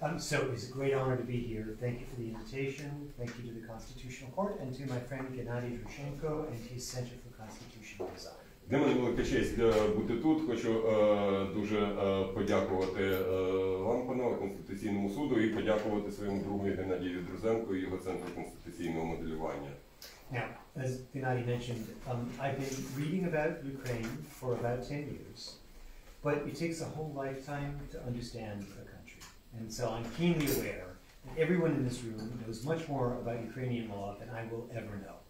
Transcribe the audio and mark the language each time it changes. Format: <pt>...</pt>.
<en>So it's a great honor to be here. Thank you for the invitation. Thank you to the Constitutional Court and to my friend Геннадій Грушенко and his Center for Constitutional Design.</en> <uk>Для мене велика честь бути тут. Хочу дуже подякувати вам, панове, Конституційному суду і подякувати своєму другу Геннадію Друзенко і його Центру конституційного моделювання.</uk> <en>Now, as Геннадій mentioned, I've been reading about Ukraine for about 10 years, but it takes a whole lifetime to understand a country. And so I'm keenly aware that everyone in this room knows much more about Ukrainian law than I will ever know.</en>